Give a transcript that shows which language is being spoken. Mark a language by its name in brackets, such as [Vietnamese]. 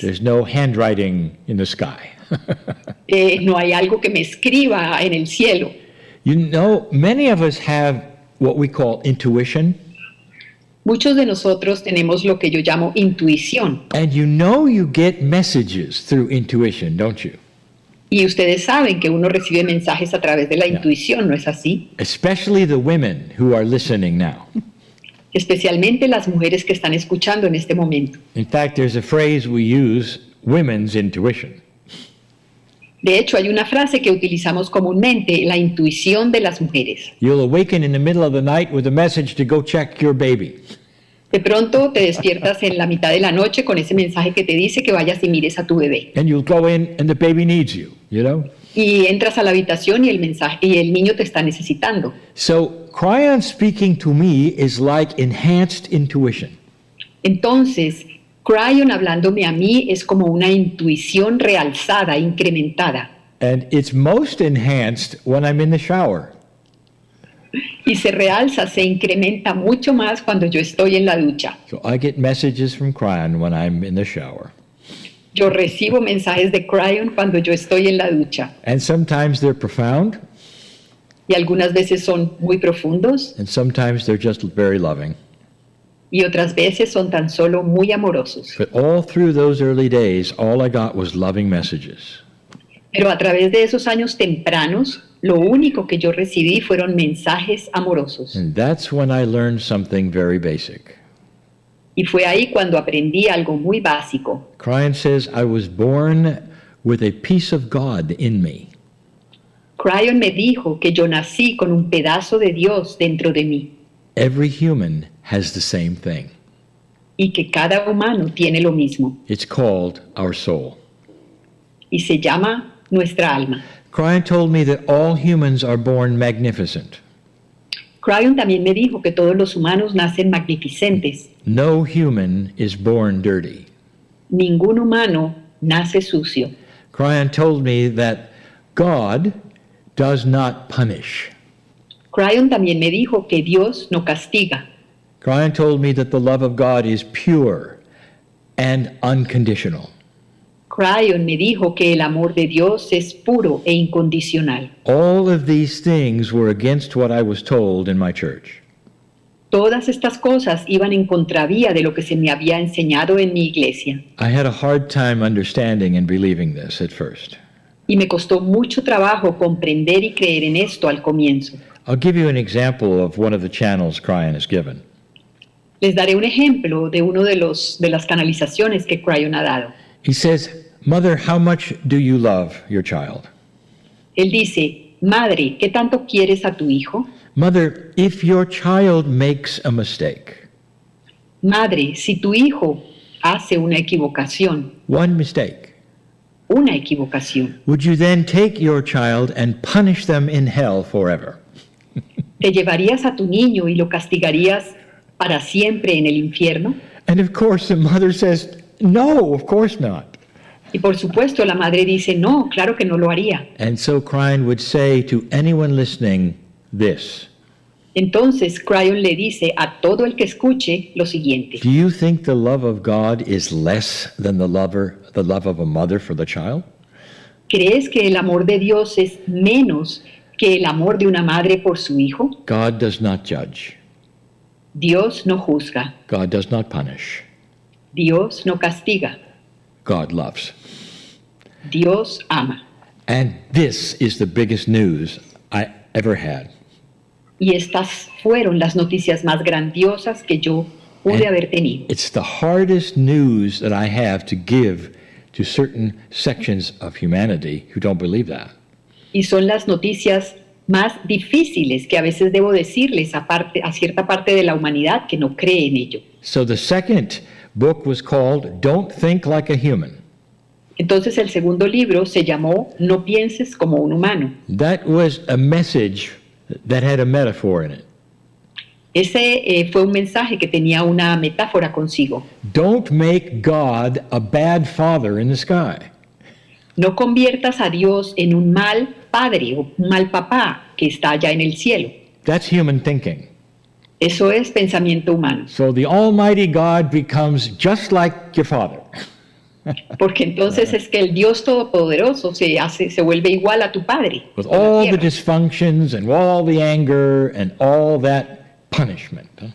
[English] There's no handwriting in the sky. [Spanish] No hay algo que me escriba en el cielo. [English] You know, many of us have what we call intuition. [Spanish] Muchos de nosotros tenemos lo que yo llamo intuición. [English] And you know you get messages through intuition, don't you? [Spanish] Y ustedes saben que uno recibe mensajes a través de la intuición, ¿no es así? [English] Especially the women who are listening now. [Spanish] Especialmente las mujeres que están escuchando en este momento. [English] In fact, there's a phrase we use, women's intuition. [Spanish] De hecho, hay una frase que utilizamos comúnmente, la intuición de las mujeres. [English] You'll awaken in the middle of the night with a message to go check your baby. [Spanish] De pronto te despiertas en la mitad de la noche con ese mensaje que te dice que vayas y mires a tu bebé. [English] And you'll go in and the baby needs you, you know? [Spanish] Y entras a la habitación y el mensaje y el niño te está necesitando. [English] So, Cryon speaking to me is like enhanced intuition. [Spanish] Entonces, Cryon hablándome a mí es como una intuición realzada, incrementada. [English] And it's most enhanced when I'm in the shower. [Spanish] Y se realza, se incrementa mucho más cuando yo estoy en la ducha. [English] So I get messages from Cryon when I'm in the shower. [Spanish] Yo recibo mensajes de Cryon cuando yo estoy en la ducha. [English] And sometimes they're profound. [Spanish] Y algunas veces son muy profundos. [English] And sometimes they're just very loving. [Spanish] Y otras veces son tan solo muy amorosos. [English] But all through those early days, all I got was loving messages. [Spanish] Pero a través de esos años tempranos, lo único que yo recibí fueron mensajes amorosos. [English] And that's when I learned something very basic. [Spanish] Y fue ahí cuando aprendí algo muy básico. [English] Cryon says, I was born with a piece of God in me. [Spanish] Cryon me dijo que yo nací con un pedazo de Dios dentro de mí. [English] Every human has the same thing. [Spanish] Y que cada humano tiene lo mismo. [English] It's called our soul. [Spanish] Y se llama nuestra alma. [English] Cryon told me that all humans are born magnificent. [Spanish] Cryon también me dijo que todos los humanos nacen magnificentes. [English] No human is born dirty. [Spanish] Ningún humano nace sucio. [English] Cryon told me that God does not punish. [Spanish] Cryon también me dijo que Dios no castiga. [English] Cryon told me that the love of God is pure and unconditional. [Spanish] Cryon me dijo que el amor de Dios es puro e incondicional. [English] All of these things were against what I was told in my church. [Spanish] Todas estas cosas iban en contravía de lo que se me había enseñado en mi iglesia. [English] I had a hard time understanding and believing this at first. [Spanish] Y me costó mucho trabajo comprender y creer en esto al comienzo. [English] I'll give you an example of one of the channels Cryon has given. [Spanish] Les daré un ejemplo de uno de los de las canalizaciones que Cryon ha dado. [English] He says, "Mother, how much do you love your child?" [Spanish] Él dice, "Madre, ¿qué tanto quieres a tu hijo?" [English] "Mother, if your child makes a mistake." [Spanish] Madre, si tu hijo hace una equivocación. [English] One mistake. [Spanish] Una equivocación. [English] "Would you then take your child and punish them in hell forever?" [Spanish] ¿Te llevarías a tu niño y lo castigarías para siempre en el infierno? [English] And of course the mother says, "No, of course not." [Spanish] Y por supuesto la madre dice, "No, claro que no lo haría." [English] And so Cryon would say to anyone listening this. [Spanish] Entonces Cryon le dice a todo el que escuche lo siguiente. [English] "Do you think the love of God is less than the love of a mother for the child?" [Spanish] ¿Crees que el amor de Dios es menos que el amor de una madre por su hijo? [English] God does not judge. [Spanish] Dios no juzga. [English] God does not punish. [Spanish] Dios no castiga. [English] God loves. [Spanish] Dios ama. [English] And this is the biggest news I ever had. [Spanish] Y estas fueron las noticias más grandiosas que yo pude [English] and [Spanish] haber tenido. [English] It's the hardest news that I have to give to certain sections of humanity who don't believe that. [Spanish] Y son las noticias más difíciles que a veces debo decirles a cierta parte de la humanidad que no cree en ello. [English] So the second book was called Don't Think Like a Human. [Spanish] Entonces el segundo libro se llamó No Pienses Como un Humano. [English] That was a message that had a metaphor in it. [Spanish] Ese fue un mensaje que tenía una metáfora consigo. [English] Don't make God a bad father in the sky. [Spanish] No conviertas a Dios en un mal padre o un mal papá que está allá en el cielo. [English] That's human thinking. [Spanish] Eso es pensamiento humano. [English] So the Almighty God becomes just like your father. [Spanish] Porque entonces es que el Dios Todopoderoso se vuelve igual a tu padre. [English] With all the dysfunctions and all the anger and all that punishment.